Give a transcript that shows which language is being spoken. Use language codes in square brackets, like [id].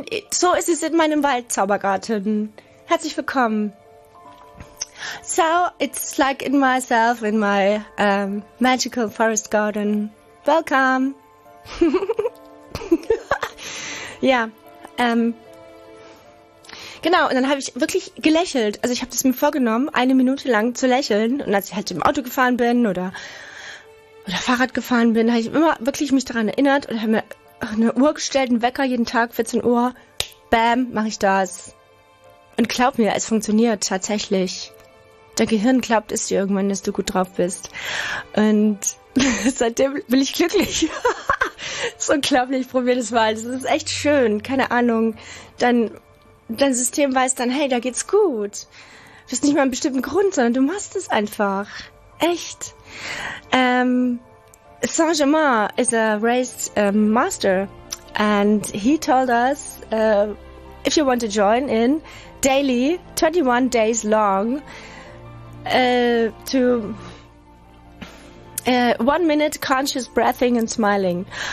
[de] So ist es in meinem Waldzaubergarten. Herzlich willkommen. [en] So, it's like in myself, in my magical forest garden. Welcome! [de] Ja, genau, und dann habe ich wirklich gelächelt. Also ich habe das mir vorgenommen, eine Minute lang zu lächeln. Und als ich halt im Auto gefahren bin oder oder Fahrrad gefahren bin, habe ich immer wirklich mich daran erinnert und habe mir eine Uhr gestellt, einen Wecker jeden Tag, 14 Uhr. Bam, mache ich das. Und glaub mir, es funktioniert tatsächlich. Dein Gehirn glaubt es dir irgendwann, dass du gut drauf bist. Und seitdem bin ich glücklich. Das ist unglaublich, probier das mal. Das ist echt schön, keine Ahnung. Dein System weiß dann, hey, da geht's gut. Das ist nicht mal ein bestimmten Grund, sondern du machst es einfach. Echt. [en] Saint-Germain is a race master. And he told us, if you want to join in daily, 21 days long, to 1 minute conscious breathing and smiling.